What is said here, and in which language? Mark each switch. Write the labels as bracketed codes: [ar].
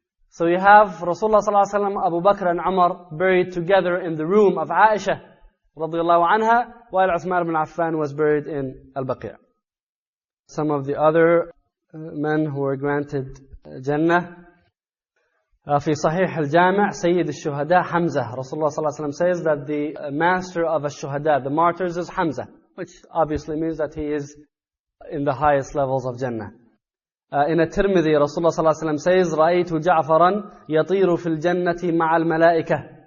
[en] So you have Rasulullah sallallahu alayhi wa sallam, Abu Bakr and Umar buried together in the room of Aisha radiallahu anha, while Uthman ibn Affan was buried in Al-Baqi'. Some of the other men who were granted Jannah. [ar] في صحيح الجامع سيد الشهداء حمزة. [en] Rasulullah sallallahu alayhi wa sallam says that the master of الشهداء, the martyrs, is Hamza, which obviously means that he is in the highest levels of Jannah. In At-Tirmidhi, Rasulullah sallallahu alayhi wa sallam says, [ar] رَأَيْتُ جَعْفَرًا يَطِيرُ فِي الْجَنَّةِ مَعَ الْمَلَائِكَةِ.